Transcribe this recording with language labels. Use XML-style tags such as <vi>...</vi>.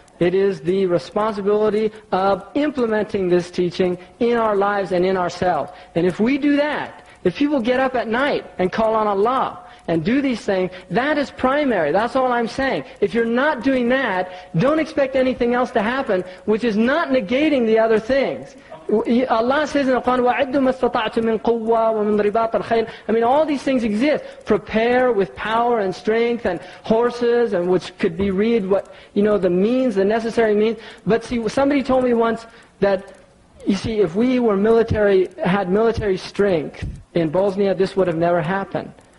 <en>It is the responsibility of implementing this teaching in our lives and in ourselves. And if we do that, if people get up at night and call on Allah and do these things, that is primary. That's all I'm saying. If you're not doing that, don't expect anything else to happen, which is not negating the other things. Allah says in the Quran,</en> <ar>وَعِدُّ مَا اسْتَطَعْتُ مِنْ قُوَّةٍ وَمِنْ رِبَاطِ الْخَيْلِ.</ar> <en>I mean, all these things exist. Prepare with power and strength and horses, and which could be read what, you know, the means, the necessary means. But see, somebody told me once that, you see, if we were military, had military strength in Bosnia, this would have never happened.</en>